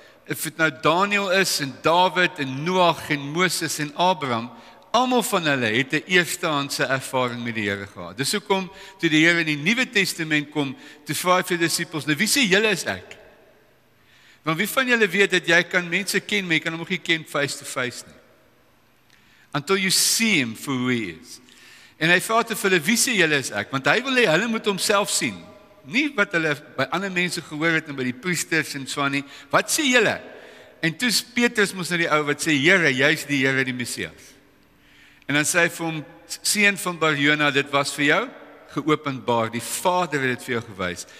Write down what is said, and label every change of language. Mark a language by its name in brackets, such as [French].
[Afrikaans] Of dit nou Daniel is en David en Noag en Moses en Abraham, almal van hulle het 'n eerstehandse ervaring met die Here gehad. Dis hoekom toe die Here in die Nuwe Testament kom, toe vra hy vir die disippels, "Nou wie sê julle is ek?" Want wie van julle weet dat jy kan mense ken, maar jy kan hom nog nie ken [English] face to face [Afrikaans] nie. [English] Until you see him for who he is. [Afrikaans] En hy vra te vir hulle, wie sê julle is ek? Want hy wil hê hulle moet homself sien. Nie wat hulle by ander mense gehoor het en by die priesters en so nie. Wat sê julle? En toe Petrus moes na die ou wat sê, Here, jy's die Here, die Messias. En dan sê hy vir hom, seun van Barjona, dit was vir jou geopenbaar, die Vader het dit vir jou gewys.